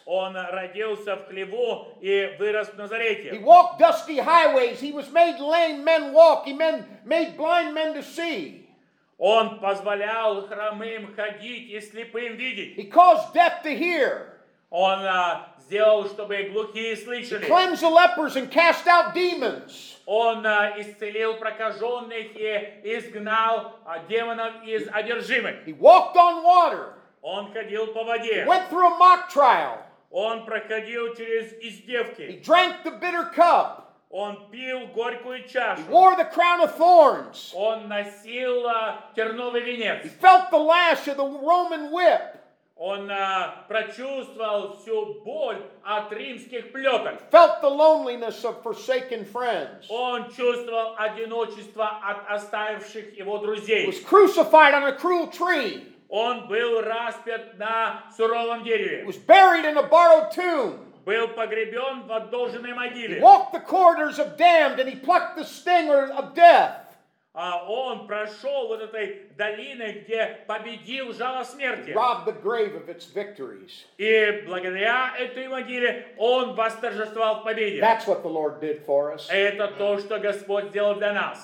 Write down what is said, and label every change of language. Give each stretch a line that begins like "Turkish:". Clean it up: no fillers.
Russian: Он родился в хлеву и вырос в Назарете.
English: He walked dusty highways. He was made lame men walk. He made blind men to see.
Russian: Он позволял хромым ходить и слепым видеть.
English: He caused deaf to hear.
Russian: Он сделал, чтобы глухие слышали.
English: He cleansed the lepers and cast out demons.
Russian: Он исцелил прокаженных и изгнал демонов из одержимых.
English: He walked on water.
Russian: Он ходил по воде.
English: He went through a mock trial.
Russian: Он проходил через издевки.
English: He drank the bitter cup.
Russian: Он пил горькую чашу.
English: He wore the crown of thorns.
Russian: Он носил терновый венец.
English: He felt the lash of the Roman whip.
Russian: Он прочувствовал всю боль от римских плеток.
English: Felt the loneliness of forsaken friends.
Russian: Он чувствовал одиночество от оставивших его друзей.
English: He was crucified on a cruel tree.
Russian: Он был распят на суровом дереве.
English: He was buried in a borrowed tomb.
Russian: был погребен в отдолженной могиле.
English: He walked the corridors of damned, and he plucked the stinger of death.
Russian: А он прошел вот этой долиной, где победил жало смерти.
English: Robbed the grave of its victories.
Russian: И благодаря этой могиле он восторжествовал в победе.
English: That's what the Lord did for us.
Russian: Это то, что Господь сделал для нас.